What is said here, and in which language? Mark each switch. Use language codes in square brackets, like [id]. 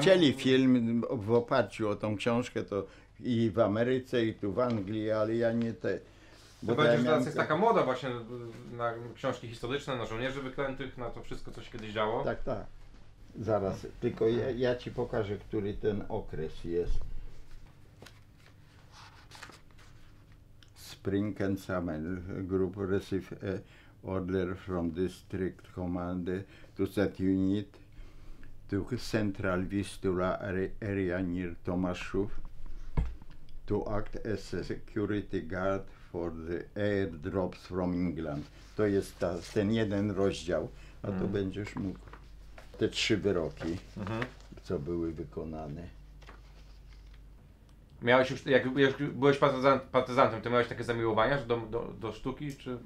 [pl] chcieli film w oparciu o tą książkę, to i w Ameryce, i tu w Anglii, ale ja nie te. Bo będzie, że teraz jest taka moda właśnie na książki historyczne, na żołnierzy wyklętych, na to wszystko, co się kiedyś działo. Tak. Zaraz, tylko ja ci pokażę, który ten okres jest. [en] Spring and summer, group received order from district command to set unit to central Vistula area near Tomaszów to act as a security guard for the airdrops from England. [pl] To jest ten jeden rozdział, a to będziesz mógł. Te 3 wyroki, co były wykonane. Miałeś już, jak byłeś partyzantem, to miałeś takie zamiłowania do sztuki, czy...